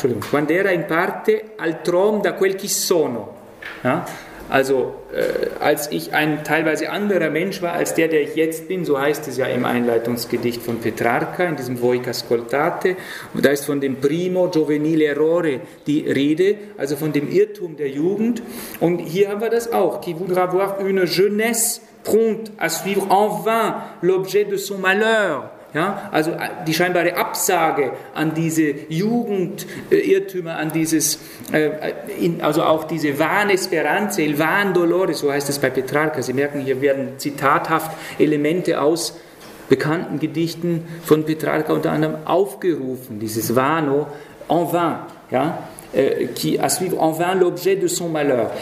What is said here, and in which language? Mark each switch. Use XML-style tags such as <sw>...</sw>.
<it>Quand era in parte altrom da quel chi sono.</it> <de>Ja? Also, als ich ein teilweise anderer Mensch war, als der ich jetzt bin, so heißt es ja im Einleitungsgedicht von Petrarca, in diesem</de> <it>Voi ascoltate,</it> <de>und da ist von dem</de> <it>primo giovenile errore</it> <de>die Rede, also von dem Irrtum der Jugend. Und hier haben wir das auch.</de> <fr>Qui voudra voir une jeunesse prompte à suivre en vain l'objet de son malheur.</fr> <de>Ja, also die scheinbare Absage an diese Jugendirrtümer, an dieses, also auch diese</de> <it>vane Speranze, il van dolore,</it> <de>so heißt es bei Petrarca. Sie merken, hier werden zitathaft Elemente aus bekannten Gedichten von Petrarca unter anderem aufgerufen, dieses vano, en vain, ja,</de> <fr>qui a suivre en vain l'objet de son malheur.</fr>